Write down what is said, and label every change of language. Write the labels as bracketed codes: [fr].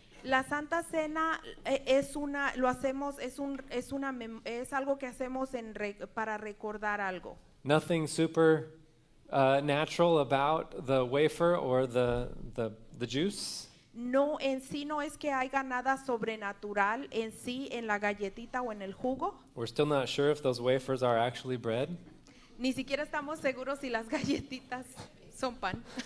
[es] La Santa Cena es una, lo hacemos, es algo que hacemos para recordar algo. [en] Nothing super natural about the wafer or the juice. [es] No, en sí no es que haya nada sobrenatural en sí en la galletita o en el jugo. [en] We're still not sure if those wafers are actually bread. [es] Ni siquiera estamos seguros si las galletitas son pan.